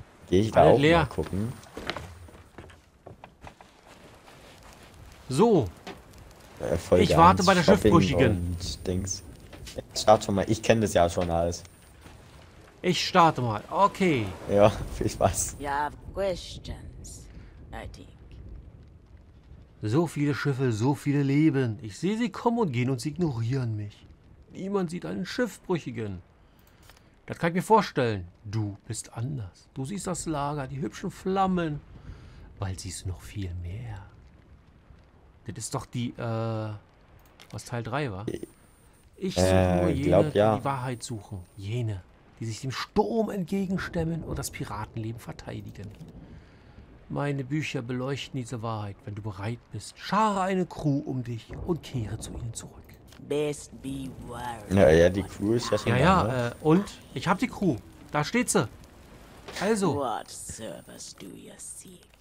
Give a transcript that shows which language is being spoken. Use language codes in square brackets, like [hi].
[de] Geh ich da auch leer. Mal gucken. So. Ich warte bei der Schiffbrüchigen. Dings. Start schon mal. Ich kenne das ja schon alles. Ich starte mal. Okay. Ja, viel Spaß. [en] You have questions, I think. [de] So viele Schiffe, so viele Leben. Ich sehe sie kommen und gehen und sie ignorieren mich. Niemand sieht einen Schiffbrüchigen. Das kann ich mir vorstellen. Du bist anders. Du siehst das Lager, die hübschen Flammen. Bald siehst du noch viel mehr. Das ist doch die, was Teil 3 war. Ich suche nur jene, glaub, ja. Die Wahrheit suchen. Jene, die sich dem Sturm entgegenstemmen und das Piratenleben verteidigen. Meine Bücher beleuchten diese Wahrheit. Wenn du bereit bist, schare eine Crew um dich und kehre zu ihnen zurück. [en] Best be worried. [de] Naja, die Crew ist ja schon da. Ja, ne? Und? Ich hab die Crew. Da steht sie. Also. [en] What service do you seek?